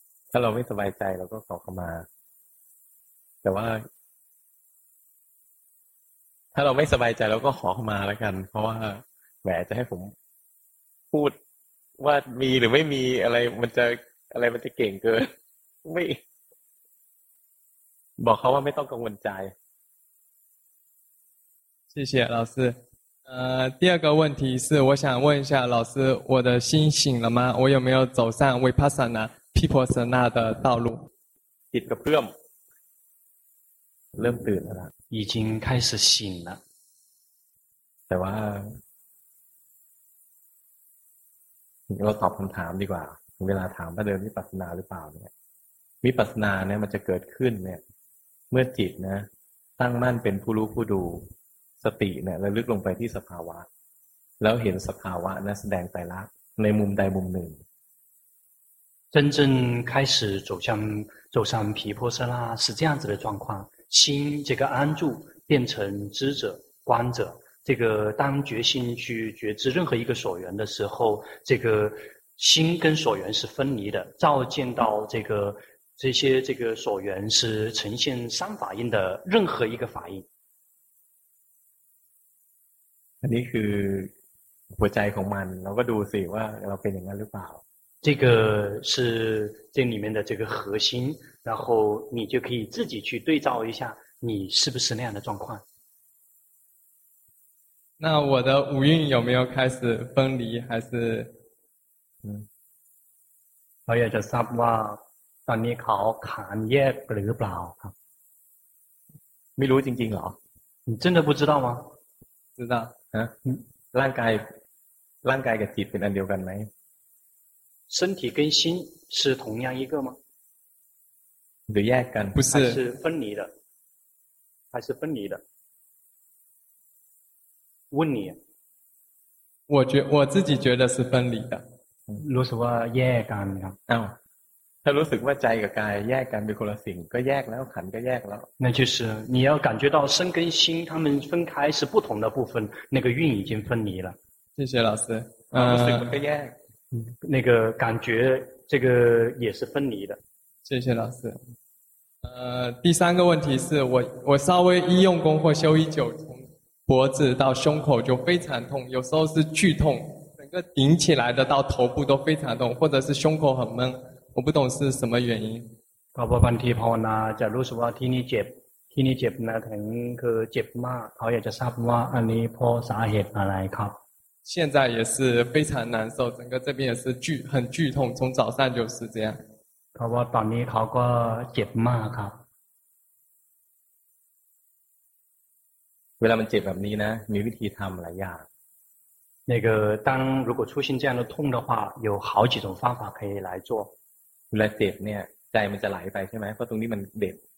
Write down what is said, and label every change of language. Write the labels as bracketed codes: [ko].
[th] ถ้าเราไม่สบายใจเราก็ขอเข้ามาแต่ว่าถ้าเราไม่สบายใจเราก็ขอเข้ามาแล้วกันเพราะว่าแหมจะให้ผมพูดว่ามีหรือไม่มีอะไรมันจะอะไรมันจะเก่งเกินไม่บอกเขาว่าไม่ต้องกังวลใจ [zh] 谢谢老师第二个问题是我想问一下老师我的心醒了吗我有没有走上 Vipassana Vipassana 的道路 [th] ติดกับเพื่อมเริ่มตื่นแล้ว [zh] 已经开始醒了 [th] แต่ว่าเราตอบคำถามดีกว่าเวลาถามว่าเดินวิปัสสนาหรือเปล่าเนี่ยวิปัสสนาเนี่ยมันจะเกิดขึ้นเนี่ยเมื่อจิตนะตั้งมั่นเป็นผู้รู้ผู้ดูสติเนี่ยระลึกลงไปที่สภาวะแล้วเห็นสภาวะนะแสดงไตรลักษณ์ในมุมใดมุมหนึ่ง [zh] 真正开始走上毗婆舍那是这样子的状况心这个安住变成知者观者这个当决心去觉知任何一个所缘的时候这个心跟所缘是分离的照见到这些所缘是呈现三法印的任何一个法印 [th] อันนี้คือหัวใจของมันเราก็ดูสิว่าเราเป็นอย่างนั้นหรือเปล่า [zh] 这个是这里面的这个核心然后你就可以自己去对照一下你是不是那样的状况那我的五蕴有没有开始分离还是 [th] เราอยากจะทราบว่าตอนนี้เขาขาดแยกหรือเปล่าครับ ไม่รู้จริงๆหรอ [zh] 你真的不知道吗知道 [th] ฮะร่างกายกับจิตเป็นอันเดียวกันไหม [zh] 身体跟心是同样一个吗 [th] หรือแยกกัน [zh] 不是是分离的还是分离的问你我自己觉得是分离的 [th] รู้สึกว่าแยกกันครับ อ้าวถ้ารู้สึกว่าใจกับกายแยกกันเป็นคนละสิ่งก็แยกแล้วขันก็แยกแล้ว [zh] 那就是你要感觉到身跟心他们分开是不同的部分那个运已经分离了谢谢老师 [th] รู้สึก มันก็แยก [zh] 那个感觉这个也是分离的谢谢老师第三个问题是我稍微一用功或修一久脖子到胸口就非常痛有时候是剧痛整个顶起来的到头部都非常痛或者是胸口很闷我不懂是什么原因 [th] ก็บางทีภาวนาจะรู้สึกว่าที่นี่เจ็บที่นี่เจ็บนะถึงคือเจ็บมากเขาอยากจะทราบว่าอันนี้เพราะสาเหตุอะไรครับ [zh] 现在也是非常难受整个这边也是很剧痛从早上就是这样 [th] เพราะว่าตอนนี้เขาก็เจ็บมากครับ เวลามันเจ็บแบบนี้นะมีวิธีทำหลายอย่าง [zh] 那个当如果出现这样的痛的话有好几种方法可以来做 [th] เวลาเจ็บเนี่ยใจมันจะไหลไปใช่ไหมเพราะตรงนี้มันเด็บ